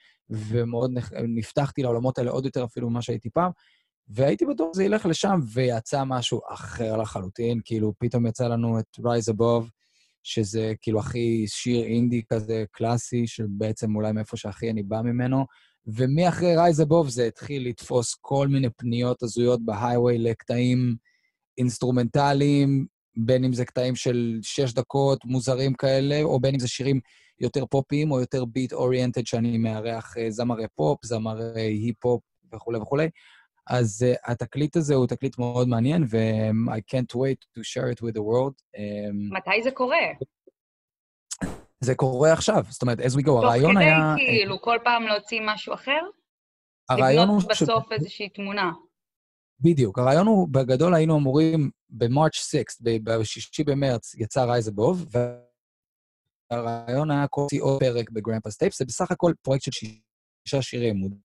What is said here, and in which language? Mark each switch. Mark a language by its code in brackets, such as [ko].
[he] ומאוד נפתחתי לעולמות האלה עוד יותר אפילו ממה שהייתי פעם, והייתי בטוח זה ילך לשם, ויצא משהו אחר לחלוטין, כאילו פתאום יצא לנו את Rise Above, שזה כאילו הכי שיר אינדי כזה קלאסי, שבעצם אולי מאיפה שהכי אני בא ממנו, ומאחרי Rise Above זה התחיל לתפוס כל מיני פניות הזויות בהיי-ווי לקטעים אינסטרומנטליים, בין אם זה קטעים של 6 דקות מוזרים כאלה, או בין אם זה שירים יותר פופיים, או יותר ביט-אוריינטד, שאני מארח זמרי פופ, זמרי היפ-פופ, וכו' וכו'. אז התקליט הזה הוא תקליט מאוד מעניין, ו- [en] I can't wait to share it with the world. [he] מתי זה קורה? זה קורה עכשיו. זאת אומרת, [en] as we go, [he] הרעיון היה... תוך כדי, כאילו, כל פעם להוציא משהו אחר? הרעיון הוא... לבנות בסוף איזושהי תמונה. בדיוק. הרעיון הוא, בגדול היינו אמורים, ב-March 6th, ב-6 במרץ, יצא Rise Above, והרעיון היה קוראי עוד פרק ב-Grandpa's Tapes, זה בסך הכל פרויקט של 6 שירים.